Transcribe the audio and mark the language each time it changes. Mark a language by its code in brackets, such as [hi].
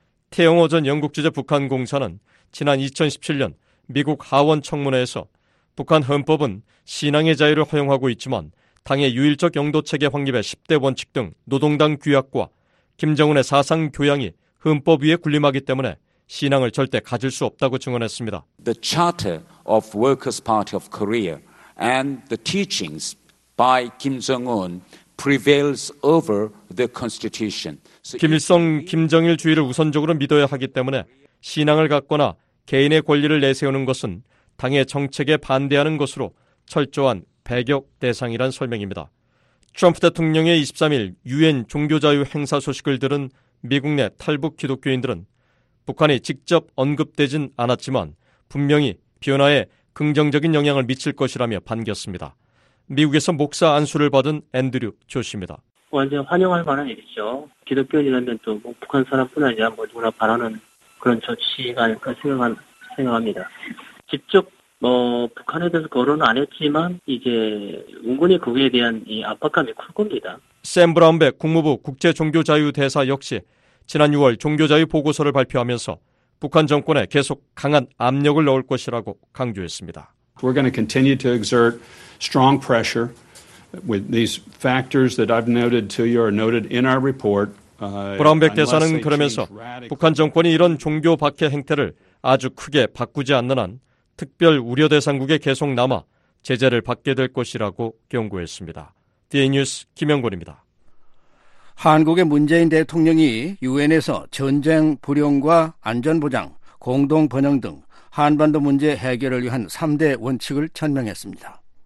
[ko] 태영호 전 영국주재 북한공사는 지난 2017년 미국 하원 청문회에서 북한 헌법은 신앙의 자유를 허용하고 있지만 당의 유일적 영도체계 확립의 10대 원칙 등 노동당 규약과 김정은의 사상 교양이 헌법 위에 군림하기 때문에 신앙을 절대 가질 수 없다고 증언했습니다. [en] The Charter of Workers' Party of Korea and the teachings by Kim Jong-un prevails over the Constitution. [ko] 김일성, 김정일 주의를 우선적으로 믿어야 하기 때문에 신앙을 갖거나 개인의 권리를 내세우는 것은 당의 정책에 반대하는 것으로 철저한 배격 대상이란 설명입니다. 트럼프 대통령의 23일 유엔 종교자유 행사 소식을 들은 미국 내 탈북 기독교인들은 북한이 직접 언급되진 않았지만 분명히 변화에 긍정적인 영향을 미칠 것이라며 반겼습니다. 미국에서 목사 안수를 받은 앤드류 조씨입니다. 완전 환영할 만한 일이죠. 기독교인이라면 또 뭐 북한 사람뿐 아니라 뭐 누구나 바라는 그런 조치가 아닐까 생각합니다. 직접 뭐 북한에 대해서 거론은 안 했지만 이제 은근히 거기에 대한 이 압박감이 클 겁니다. 샘 브라운백 국무부 국제종교자유대사 역시 지난 6월 종교자유 보고서를 발표하면서 북한 정권에 계속 강한 압력을 넣을 것이라고 강조했습니다. [en] We're going to continue to exert strong pressure with these factors that I've noted to you are noted in our report. [ko] 브라운백 대사는 그러면서 북한 정권이 이런 종교 박해 행태를 아주 크게 바꾸지 않는 한 특별 우려 대상국에 계속 남아 제재를 받게 될 것이라고 경고했습니다. DA 뉴스 김영곤입니다. 한국의 문재인 대통령이 유엔에서 전쟁 불용과 안전보장, 공동번영 등 한반도 문제 해결을 위한 3대 원칙을 천명했습니다.